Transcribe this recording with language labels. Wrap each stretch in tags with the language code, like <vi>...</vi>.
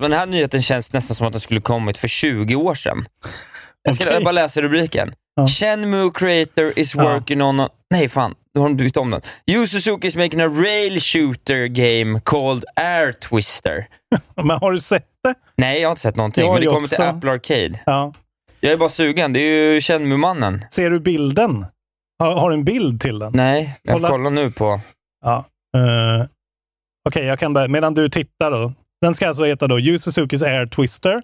<sv>Men den här nyheten känns nästan som att den skulle kommit för 20 år sedan. Jag bara läsa rubriken. Ja. Shenmue creator is working on... Nej, fan. Nu har de byggt om den.</sv> <en>Yu Suzuki is making a rail shooter game called Air Twister.</en> <sv>Men har du sett det? Nej, jag har inte sett någonting. Men det kommer till Apple Arcade. Ja. Jag är bara sugen. Det är ju Shenmue-mannen. Ser du bilden? Har du en bild till den? Nej, jag får kolla nu på... Ja. Okej, jag kan... Medan du tittar då. Den ska alltså heta då Yu Suzuki's Air Twister.</sv>